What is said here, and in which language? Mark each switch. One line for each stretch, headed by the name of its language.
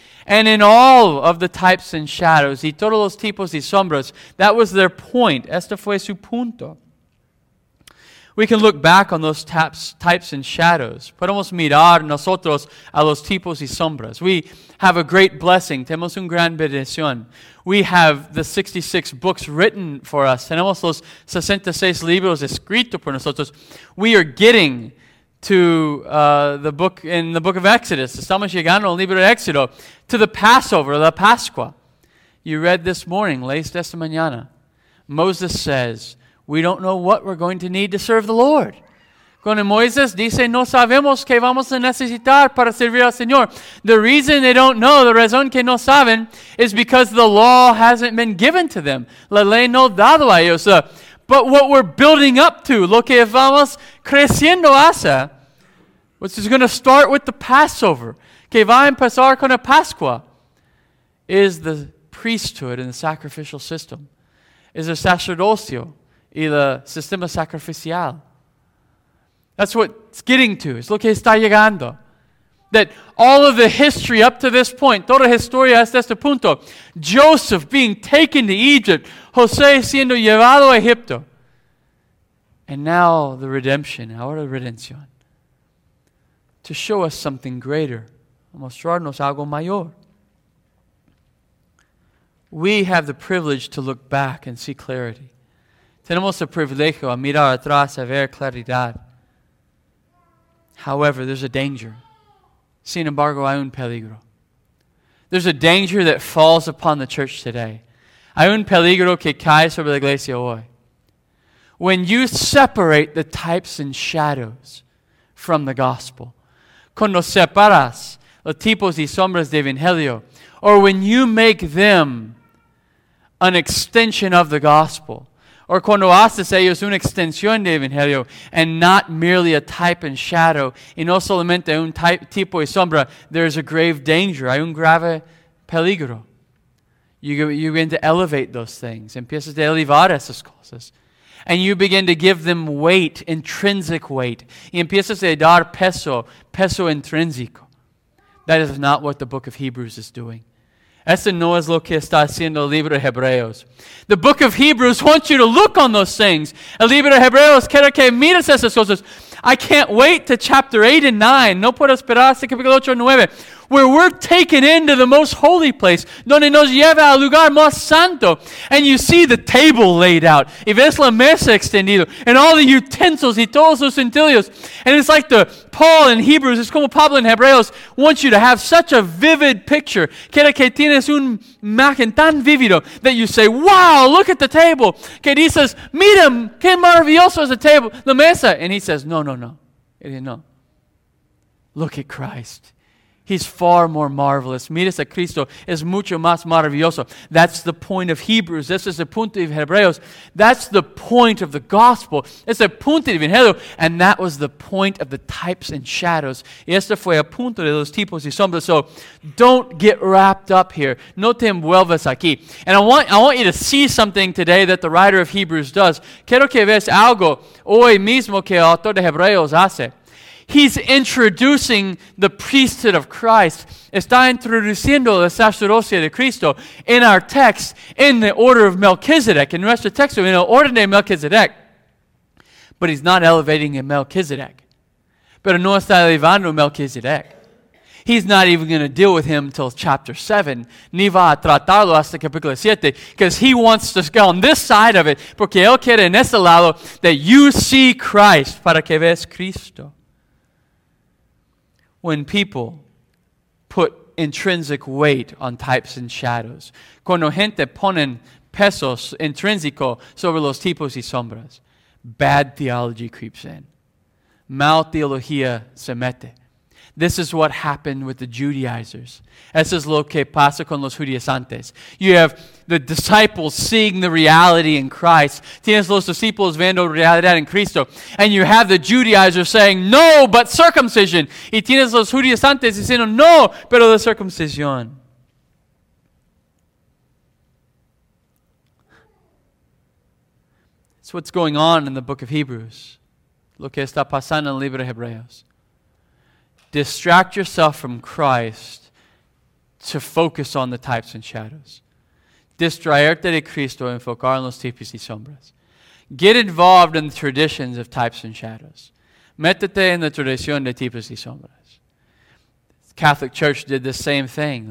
English: And in all of the types and shadows,
Spanish: y todos los tipos y sombras,
English: that was their point.
Spanish: Este fue su punto.
English: We can look back on those types and shadows.
Spanish: Podemos mirar nosotros a los tipos y sombras.
English: We have a great blessing.
Spanish: Tenemos un gran bendición.
English: We have the 66 books written for us.
Spanish: Tenemos los 66 libros escritos por nosotros.
English: We are getting to the book of Exodus.
Spanish: Estamos llegando al libro de Éxodo.
English: To the Passover,
Spanish: la Pascua.
English: You read this morning,
Spanish: leíste esta mañana.
English: Moses says, we don't know what we're going to need to serve the Lord.
Spanish: Cuando Moisés dice, no sabemos qué vamos a necesitar para servir al Señor.
English: The reason they don't know, the
Spanish: razón que no saben,
English: is because the law hasn't been given to them.
Spanish: La ley no dado a ellos.
English: But what we're building up to,
Spanish: lo que vamos creciendo hacia,
English: which is going to start with the Passover,
Spanish: que va a empezar con la Pascua,
English: is the priesthood and the sacrificial system, is the sacerdocio.
Spanish: Y el sistema sacrificial.
English: That's what it's getting to.
Spanish: Es lo que está llegando.
English: that all of the history up to this point,
Spanish: toda historia hasta este punto,
English: Joseph being taken to Egypt,
Spanish: José siendo llevado a Egipto,
English: and now the redemption,
Spanish: ahora redención,
English: to show us something greater,
Spanish: mostrarnos algo mayor.
English: We have the privilege to look back and see clarity.
Spanish: Tenemos el privilegio a mirar atrás, a ver claridad.
English: However, there's a danger.
Spanish: Sin embargo, hay un peligro.
English: There's a danger that falls upon the church today.
Spanish: Hay un peligro que cae sobre la iglesia hoy.
English: When you separate the types and shadows from the gospel,
Spanish: cuando separas los tipos y sombras del evangelio,
English: or when you make them an extension of the gospel, or
Spanish: cuando haces ellos una extensión del evangelio,
English: and not merely a type and shadow,
Spanish: y no solamente un type, tipo y sombra,
English: there is a grave danger,
Spanish: hay un grave peligro.
English: You begin to elevate those things,
Spanish: empiezas a elevar esas cosas,
English: and you begin to give them weight, intrinsic weight,
Spanish: y empiezas a dar peso, peso intrínseco.
English: That is not what the book of Hebrews is doing.
Spanish: Eso no es lo que está haciendo el libro de Hebreos.
English: The book of Hebrews wants you to look on those things.
Spanish: El libro de Hebreos quiere que mires esas cosas.
English: I can't wait to chapter 8 and 9.
Spanish: No puedo esperar hasta capítulo 8 y 9.
English: Where we're taken into the most holy place.
Spanish: Donde nos lleva al lugar más santo.
English: And you see the table laid out.
Spanish: Y ves la mesa extendida.
English: And all the utensils
Spanish: y todos los utensilios.
English: And it's like the Paul in Hebrews, it's
Spanish: como Pablo in Hebreos,
English: wants you to have such a vivid picture.
Spanish: Quiere que tienes un imagen tan vivido
English: that you say, wow, look at the table.
Spanish: Que dices, mira, qué maravilloso es la table, la mesa.
English: And he says, no. He says, no. Look at Christ. He's far more marvelous.
Spanish: Miras a Cristo, es mucho más maravilloso.
English: That's the point of Hebrews. This is the
Spanish: punto de Hebreos.
English: That's the point of the gospel.
Spanish: Es el punto de Evangelio.
English: And that was the point of the types and shadows.
Spanish: Y este fue el punto de los tipos y sombras.
English: So don't get wrapped up here.
Spanish: No te envuelvas aquí.
English: And I want you to see something today that the writer of Hebrews does.
Spanish: Quiero que veas algo hoy mismo que el autor de Hebreos hace.
English: He's introducing the priesthood of Christ.
Spanish: Está introduciendo la sacerdocia de Cristo
English: in our text, in the order
Spanish: of Melchizedek, in nuestro texto,
English: in the order
Spanish: de Melchizedek.
English: But he's not elevating Melchizedek.
Spanish: Pero no está elevando Melchizedek.
English: He's not even going to deal with him until chapter 7.
Spanish: Ni va a tratarlo hasta capítulo 7.
English: Because he wants to go on this side of it.
Spanish: Porque él quiere en ese lado
English: that you see Christ
Spanish: para que veas Cristo.
English: When people put intrinsic weight on types and shadows,
Spanish: cuando gente ponen pesos intrínseco sobre los tipos y sombras,
English: bad theology creeps in.
Spanish: Mal teología se mete.
English: This is what happened with the Judaizers.
Spanish: Eso es lo que pasa con los judíos antes.
English: You have the disciples seeing the reality in Christ.
Spanish: Tienes los discípulos viendo realidad en Cristo.
English: And you have the Judaizers saying, no, but circumcision.
Spanish: Y tienes los judíos antes diciendo, no, pero la circuncisión.
English: It's what's going on in the book of Hebrews.
Spanish: Lo que está pasando en el libro de Hebreos.
English: Distract yourself from Christ to focus on the types and shadows.
Spanish: Distraerte de Cristo, enfocar en los tipos y sombras.
English: Get involved in the traditions of types and shadows.
Spanish: Métete en la tradición de tipos y sombras.
English: The Catholic Church did the same thing.